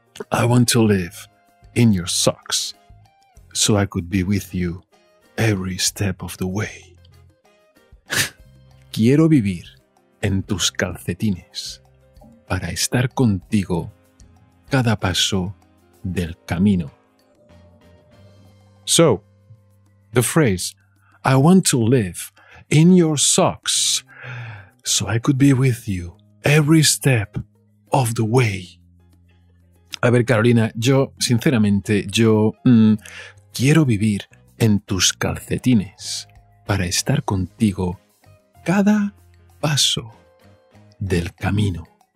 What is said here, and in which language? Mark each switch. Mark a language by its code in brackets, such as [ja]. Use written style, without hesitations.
[en] I want to live in your socks so I could be with you every step of the way. [es] Quiero vivir en tus calcetines para estar contigo cada paso del camino. [en] So, the phrase, I want to live in your socks so I could be with you every step of the way. [es] A ver, Carolina, yo, sinceramente, quiero vivir en tus calcetines para estar contigo cada paso del camino.